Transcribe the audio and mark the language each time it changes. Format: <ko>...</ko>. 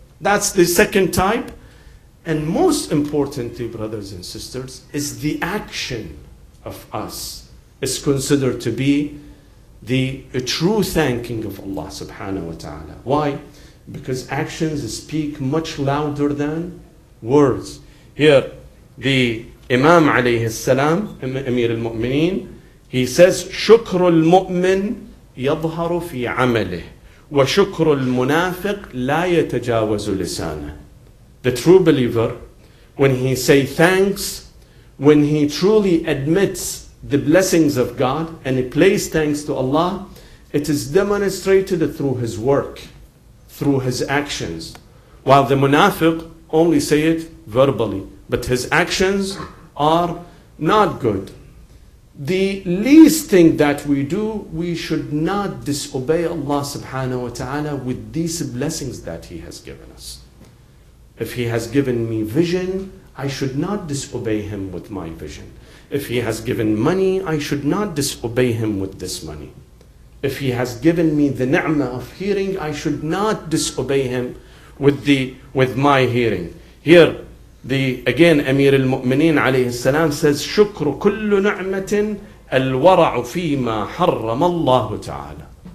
<en>That's the second type. And most importantly, brothers and sisters, is the action of us is considered to be the true thanking of Allah subhanahu wa ta'ala. Why? Because actions speak much louder than words. Here, the Imam alayhi salam, Amir al-Mu'mineen, he says,</en> <ar>شكر المؤمن يظهر في عمله وشكر المنافق لا يتجاوز لسانه.</ar> <en>The true believer, when he say thanks, when he truly admits the blessings of God and he plays thanks to Allah, it is demonstrated through his work, through his actions. While the munafiq only say it verbally, but his actions are not good. The least thing that we do, we should not disobey Allah subhanahu wa ta'ala with these blessings that he has given us. If he has given me vision, I should not disobey him with my vision. If he has given money, I should not disobey him with this money. If he has given me the ni'mah of hearing, I should not disobey him with my hearing. Here, again, Amir al-Mu'mineen alayhi salam says,</en> <ar>شكر كل نعمة الورع فيما حرم الله تعالى.</ar>